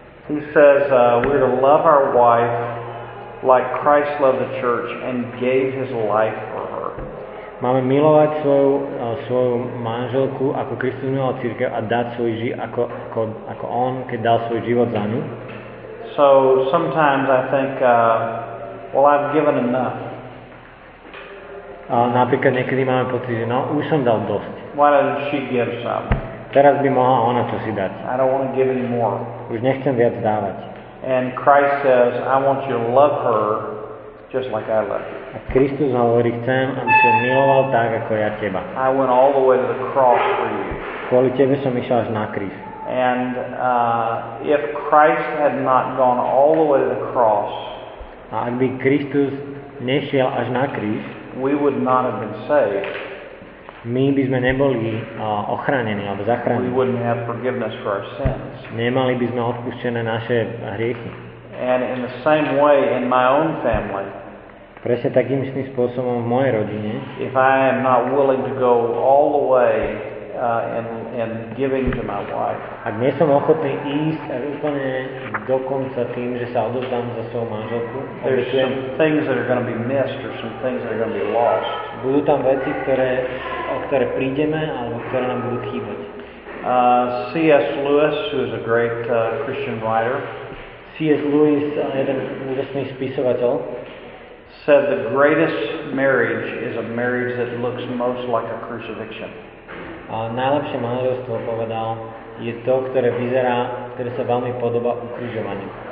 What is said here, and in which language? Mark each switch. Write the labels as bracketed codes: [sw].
[en] He says we're to love our wife like Christ loved the church and gave his life for her. [sk] Máme milovať svoju manželku ako Kristus miloval cirkev a dať svoj život ako on keď dal svoj život za ňu. [en] So sometimes I think well I've given enough. [sk] A napríklad niekedy máme pocit, že no, už som dal dosť. [en] Why doesn't she give some? [sk] Teraz by mohla ona to si dať. [en] I don't want to give any more. [sk] Už nechcem viac dávať. [en] And Christ says, I want you to love her just like I love you. [sk] A Kristus hovorí, chcem, aby si ho miloval tak, ako ja teba. [en] I went all the way to the cross for you. [sk] Kvôli tebe som išiel až na kríž. [en] And if Christ had not gone all the way to the cross, [sk] a ak by Kristus nešiel až na kríž, [en] we would not have been saved. [sk] My by sme neboli ochránení alebo zachránení. [en] We wouldn't have forgiveness for our sins. [sk] Nemali by sme odpustené naše hriechy. [en] And in the same way in my own family. [sk] Presne takým istým spôsobom v mojej rodine. [en] If I am not willing to go all the way in giving to my wife. [sk] Ak nie som ochotný ísť úplne do konca tým, že sa odovzdám za svoju manželku, [en] there's some things that are going to be missed or some things that are going to be lost. [sk] Budú tam veci, o ktoré prídeme alebo ktoré nám budú chýbať. [en] C.S. Lewis, who is a great Christian writer. C.S. [sk] Lewis, jeden úžasný spisovateľ, [en] said the greatest marriage is a marriage that looks most like a crucifixion. [sk] A najlepšie manželstvo, povedal, je to, ktoré vyzerá, ktoré sa veľmi podobá ukrižovaniu.